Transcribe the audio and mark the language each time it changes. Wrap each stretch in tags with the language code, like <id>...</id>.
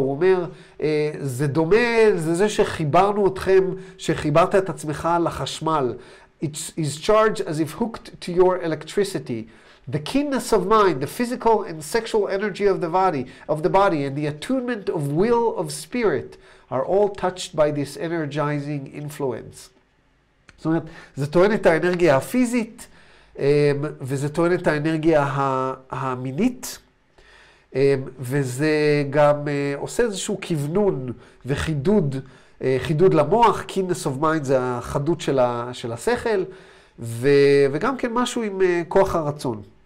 <he>הוא אומר, זה דומה, זה שחיברנו אתכם, שחיברת את עצמך לחשמל.</he> <en>It is charged as if hooked to your electricity. The keenness of mind, the physical and sexual energy of the body, and the attunement of will of spirit are all touched by this energizing influence.</en> <he>זאת אומרת, זה טוען את האנרגיה הפיזית, וזה טוען את האנרגיה המינית, וזה גם עושה איזשהו כיוונון וחידוד, חידוד למוח,</he> <en>keenness of mind</en> <he>זה החדות של השכל, וגם כן משהו עם כוח הרצון.</he>